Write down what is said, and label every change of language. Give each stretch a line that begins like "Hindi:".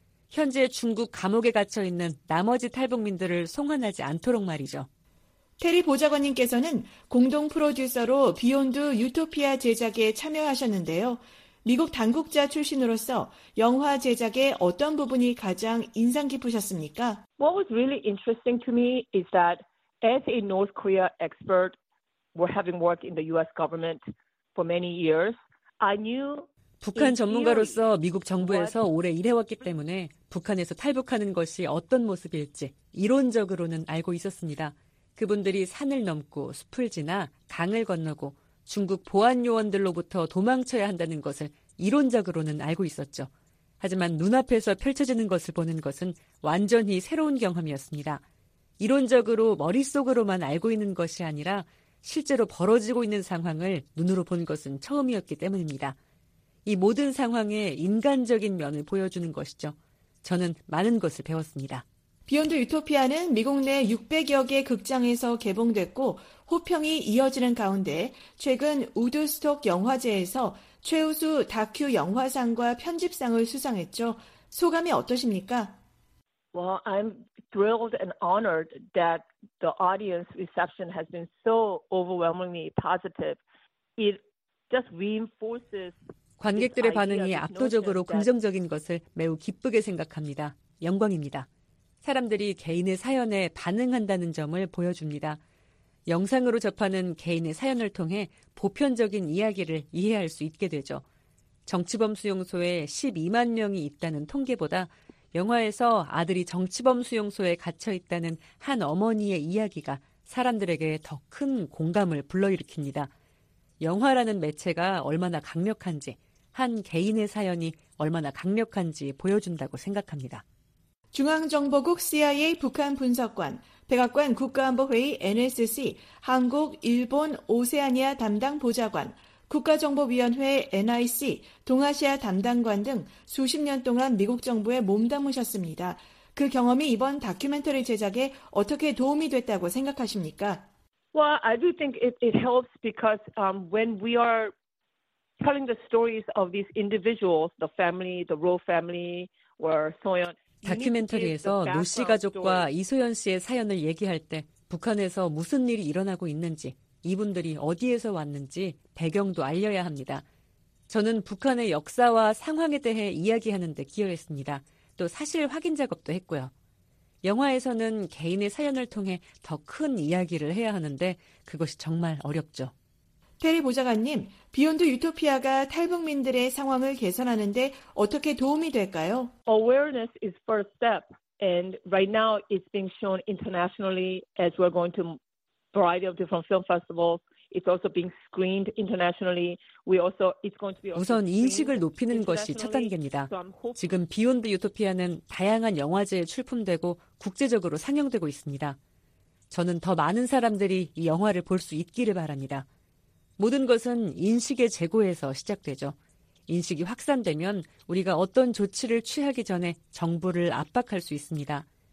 Korean: 현재 중국 감옥에 갇혀 있는 나머지 탈북민들을 송환하지 않도록 말이죠. 테리 보좌관님께서는 공동 프로듀서로 비욘드 유토피아 제작에 참여하셨는데요. 미국 당국자 출신으로서 영화 제작의 어떤 부분이 가장 인상 깊으셨습니까?
English: What was really interesting to me is that as a North Korea expert, we're having worked in the U.S. government for many years. I knew.
Korean: 북한 전문가로서 미국 정부에서 오래 일해왔기 때문에 북한에서 탈북하는 것이 어떤 모습일지 이론적으로는 알고 있었습니다. 그분들이 산을 넘고 숲을 지나 강을 건너고 중국 보안 요원들로부터 도망쳐야 한다는 것을 이론적으로는 알고 있었죠. 하지만 눈앞에서 펼쳐지는 것을 보는 것은 완전히 새로운 경험이었습니다. 이론적으로 머릿속으로만 알고 있는 것이 아니라 실제로 벌어지고 있는 상황을 눈으로 본 것은 처음이었기 때문입니다. 이 모든 상황의 인간적인 면을 보여주는 것이죠. 저는 많은 것을 배웠습니다. 비욘드 유토피아는 미국 내 600여 개 극장에서 개봉됐고 호평이 이어지는 가운데 최근 우드스톡 영화제에서 최우수 다큐 영화상과 편집상을 수상했죠. 소감이 어떠십니까?
English: Well, I'm thrilled and honored that the audience reception has been so overwhelmingly positive. It just reinforces
Korean: 관객들의 반응이 압도적으로 긍정적인 것을 매우 기쁘게 생각합니다. 영광입니다. 사람들이 개인의 사연에 반응한다는 점을 보여줍니다. 영상으로 접하는 개인의 사연을 통해 보편적인 이야기를 이해할 수 있게 되죠. 정치범 수용소에 12만 명이 있다는 통계보다 영화에서 아들이 정치범 수용소에 갇혀 있다는 한 어머니의 이야기가 사람들에게 더 큰 공감을 불러일으킵니다. 영화라는 매체가 얼마나 강력한지, 한 개인의 사연이 얼마나 강력한지 보여준다고 생각합니다. 중앙정보국 CIA 북한 분석관, 백악관 국가안보회의 NSC, 한국, 일본, 오세아니아 담당 보좌관, 국가정보위원회 NIC, 동아시아 담당관 등 수십 년 동안 미국 정부에 몸담으셨습니다. 그 경험이 이번 다큐멘터리 제작에 어떻게 도움이 됐다고 생각하십니까?
English: Well, I do think it helps because when we are telling the stories of these individuals, the family, the Roe family, or Soyeon.
Korean: 다큐멘터리에서 노 씨 가족과 이소연 씨의 사연을 얘기할 때 북한에서 무슨 일이 일어나고 있는지, 이분들이 어디에서 왔는지 배경도 알려야 합니다. 저는 북한의 역사와 상황에 대해 이야기하는 데 기여했습니다. 또 사실 확인 작업도 했고요. 영화에서는 개인의 사연을 통해 더 큰 이야기를 해야 하는데 그것이 정말 어렵죠. 테리 보좌관님, 비욘드 유토피아가 탈북민들의 상황을 개선하는 데 어떻게 도움이 될까요?
English: Awareness is first step and right now it's being shown internationally as we're going to variety of different film festivals. It's also being screened internationally. It's going to be
Korean: 우선 인식을 높이는 것이 첫 단계입니다. 지금 비욘드 유토피아는 다양한 영화제에 출품되고 국제적으로 상영되고 있습니다. 저는 더 많은 사람들이 이 영화를 볼 수 있기를 바랍니다. 모든 것은 인식의 제고에서 시작되죠. 인식이 확산되면 우리가 어떤 조치를 취하기 전에 정부를 압박할 수 있습니다.